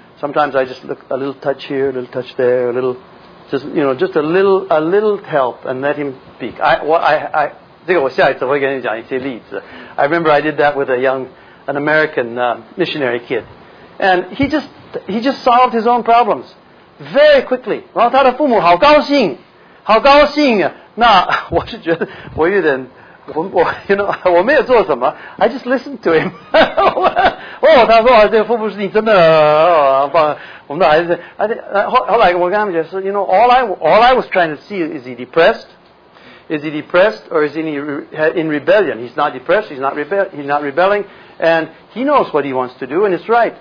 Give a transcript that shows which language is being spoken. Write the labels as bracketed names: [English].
[English] Sometimes I just look a little touch here, a little touch there, a little just you know just a little help and let him speak. [Chinese] I 这个我下一次会跟你讲一些例子。 [English] I remember I did that with a young. An American missionary kid. And he just solved his own problems very quickly. [Chinese] 然后他的父母好高兴，好高兴啊。那我是觉得我有点，我 [English] you know, [Chinese] 我没有做什么， [English] I just listened to him. [Chinese] 哦，他说这个福布斯你真的很棒，我们的孩子。后来我跟他们解释 [English] ，You know, all I was trying to see is he depressed? Is he depressed or is he in rebellion? He's not depressed. He's not rebelling, and he knows what he wants to do, and it's right.